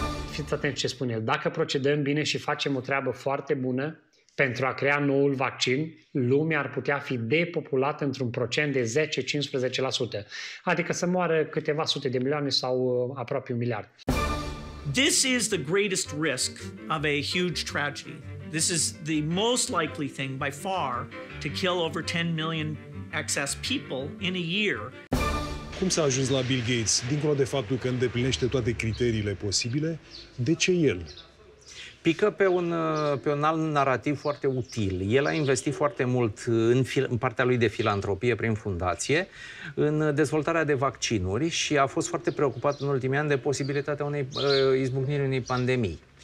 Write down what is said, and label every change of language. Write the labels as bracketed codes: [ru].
[ro] Fiți atenți ce spune el. Dacă procedăm bine și facem o treabă foarte bună pentru a crea noul vaccin, lumea ar putea fi depopulată într-un procent de 10-15%. Adică să moară câteva sute de milioane sau aproape un miliard. [en] This is the greatest risk of a huge tragedy. This is the most likely thing by far to kill over 10 million excess people in a year. [ro] Cum s-a ajuns la Bill Gates? Dincolo de faptul că îndeplinește toate criteriile posibile, de ce el? Pică pe un alt narativ foarte util. El a investit foarte mult în partea lui de filantropie prin fundație în dezvoltarea de vaccinuri și a fost foarte preocupat în ultimii ani de posibilitatea unei izbucniri unei pandemii.